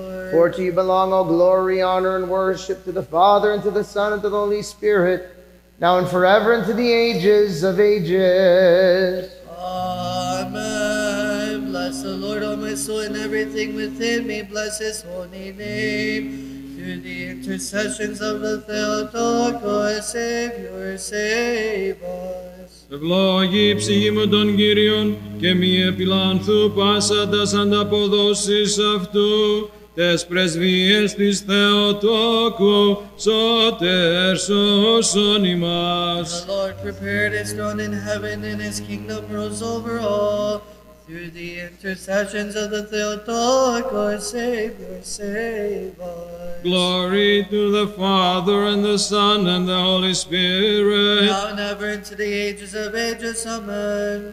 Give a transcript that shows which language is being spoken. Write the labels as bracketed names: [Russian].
[English] For to you belong all glory, honor, and worship to the Father, and to the Son, and to the Holy Spirit, now and forever, and to the ages of ages. Amen. Bless the Lord, O my soul, and everything within me. Bless his holy name. Through the intercessions of the Theotokos, Savior, save us. [Greek] Ευλόγη η ψυχή μου των Κύριων και μη επιλάνθου πάσα τα ανταποδόσεις αυτού, τες πρεσβείες της Θεοτόκου, σώτερ σώσον ημάς. [English] The Lord prepared his throne in heaven, and his kingdom rules over all. Through the intercessions of the Theotokos, Savior, save us. Glory to the Father, and the Son, and the Holy Spirit. Now and ever, into the ages of ages, amen.